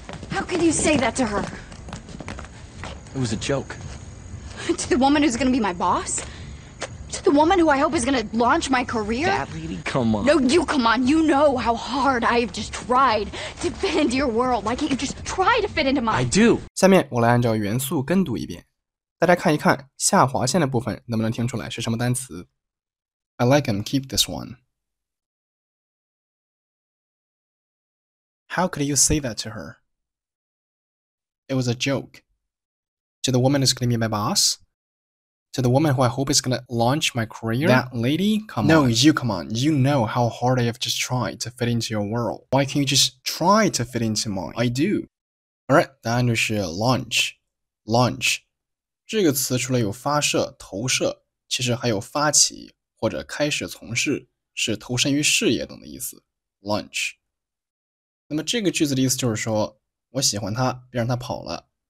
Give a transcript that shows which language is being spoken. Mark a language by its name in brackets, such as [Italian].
[English] How could you say that to her? It was a joke. To the woman who's going to be my boss? The woman who I hope is going to launch my career? That lady? Come on. No, you come on. You know how hard I have just tried to fit into your world. Why can't you just try to fit into mine? I do. [Chinese] 下面我来按照元素跟读一遍。大家看一看下划线的部分能不能听出来是什么单词。 [English] I like him. Keep this one. How could you say that to her? It was a joke. To the woman who's going to be my boss? To the woman who I hope is going to launch my career? That lady? Come on. No, you come on. You know how hard I have just tried to fit into your world. Why can't you just try to fit into mine? I do. [Chinese] Alright, 答案就是 launch. Launch. 这个词除了有发射、投射，其实还有发起或者开始从事，是投身于事业等的意思。 [English] Launch. [Chinese] 那么这个句子的意思就是说，我喜欢他，别让他跑了。